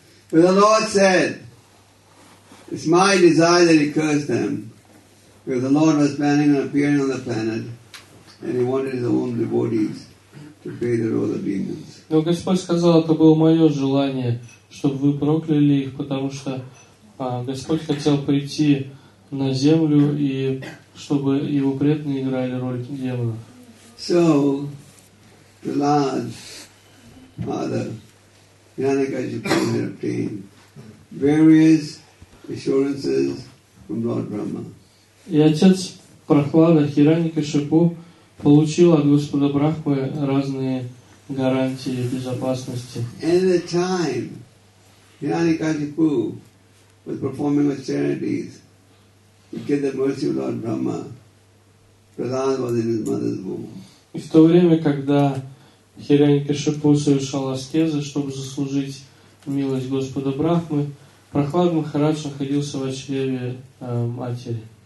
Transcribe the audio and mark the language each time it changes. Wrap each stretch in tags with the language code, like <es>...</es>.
<en>But the Lord said, it's my desire that he curse them, because the Lord was planning on appearing on the planet, and he wanted his own devotees to pay the role of demons.</en> <ru>Но Господь сказал, это было мое желание, чтобы вы прокляли их, потому что Господь хотел прийти на землю и чтобы его преданные играли роль демонов.</ru> <en>So, the Lord, Father, Hiranyakashipu had obtained various assurances from Lord Brahma.</en> <ru>И отец Прохлада Хираньякашипу получил от Господа Брахмы разные гарантии безопасности.</ru> <en>And at the time, Hiranyakashipu was performing austerities to get the mercy of Lord Brahma. Prahlad was in his mother's womb.</en> <ru>И в то время, когда Хираньякашипу совершал аскезы, чтобы заслужить милость Господа Брахмы, Прохлад Махарадж находился в чреве матери.</ru>